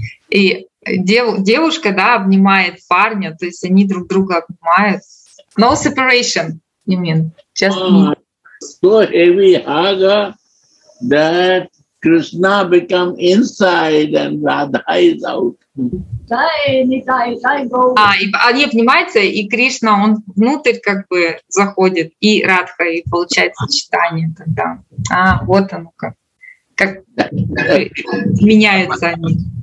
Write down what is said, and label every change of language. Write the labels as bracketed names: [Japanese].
[Russian] И девушка, да, обнимает парня, то есть они друг друга обнимают. [English] No separation. You mean just me? So heavy hug that Krishna become inside and Radha is out. [Russian] Они обнимаются, и Кришна, он внутрь как бы заходит, и Радха, и получается читание тогда. А, вот оно как меняются они.